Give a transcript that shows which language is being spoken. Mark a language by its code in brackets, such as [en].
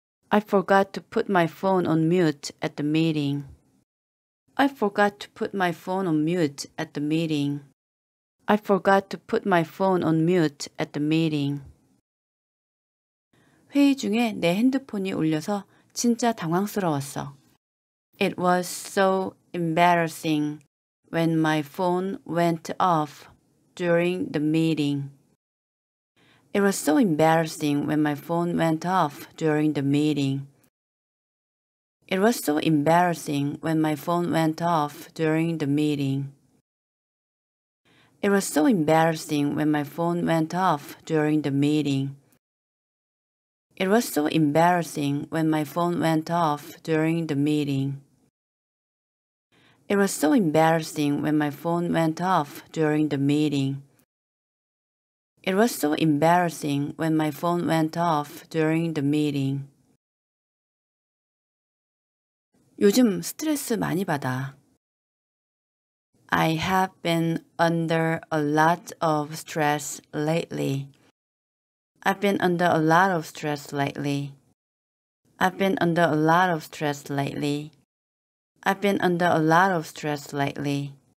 [en] I forgot to put my phone on mute at the meeting. I forgot to put my phone on mute at the meeting. I forgot to put my phone on mute at the meeting. [ko] 회의 중에 내 핸드폰이 울려서 진짜 당황스러웠어. [en] It was so embarrassing when my phone went off during the meeting. It was so embarrassing when my phone went off during the meeting. It was so embarrassing when my phone went off during the meeting. It was so embarrassing when my phone went off during the meeting. It was so embarrassing when my phone went off during the meeting. It was so embarrassing when my phone went off during the meeting. It was so embarrassing when my phone went off during the meeting. [ko] 요즘 스트레스 많이 받아. [en] I have been under a lot of stress lately. I've been under a lot of stress lately. I've been under a lot of stress lately. I've been under a lot of stress lately.